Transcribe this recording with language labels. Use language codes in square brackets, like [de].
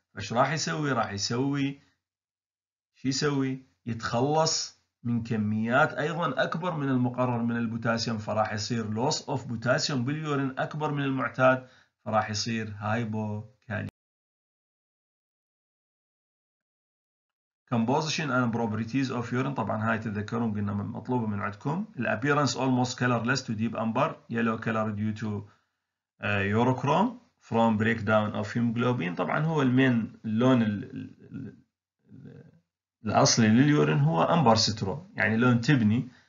[ar] فايش راح يسوي؟ يتخلص من كميات ايضا اكبر من المقرر من البوتاسيوم, فراح يصير لوس اوف بوتاسيوم باليورين اكبر من المعتاد, راح يصير هايبوكاليميا. [en] Composition and properties of urine [ar] طبعا هاي تذكرون قلنا مطلوبة من عندكم. [en] Appearance almost colorless to deep amber yellow color due to urochrome from breakdown of hemoglobin. [ar] طبعا هو المين اللون الأصلي لليورين هو أمبر سترو, يعني لون تبني.